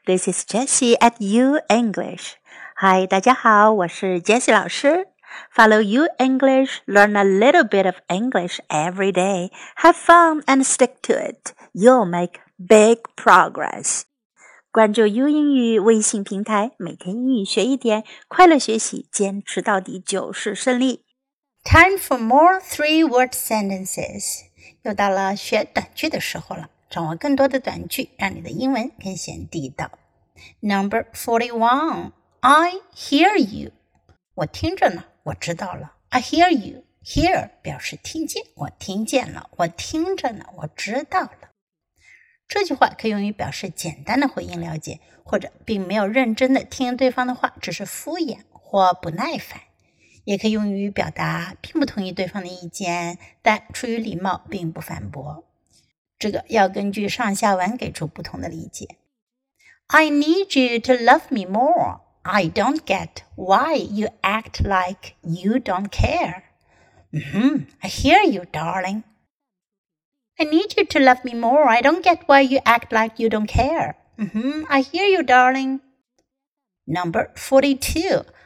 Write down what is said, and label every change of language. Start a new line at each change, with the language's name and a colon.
English: This is Jessie at U English.
Chinese: Hi, 大家好，我是 Jessie 老师。
English: Follow U English, learn a little bit of English every day. Have fun and stick to it. You'll make big progress.
Chinese: 关注 U 英语微信平台，每天英语学一点，快乐学习，坚持到底就是胜利。
English: Time for more three-word sentences.
Chinese: 又到了学短句的时候了。掌握更多的短句，让你的英文更显地道。
English: Number 41, I hear you.
Chinese: 我听着呢，我知道了。
English: I hear you.
Chinese: Hear 表示听见，我听见了，我听着呢，我知道了。这句话可以用于表示简单的回应了解，或者并没有认真的听对方的话，只是敷衍或不耐烦。也可以用于表达并不同意对方的意见，但出于礼貌并不反驳。这个要根据上下文给出不同的理解。
English: I need you to love me more. I don't get why you act like you don't care. I hear you, darling. I need you to love me more. I don't get why you act like you don't care. I hear you, darling. Number 42.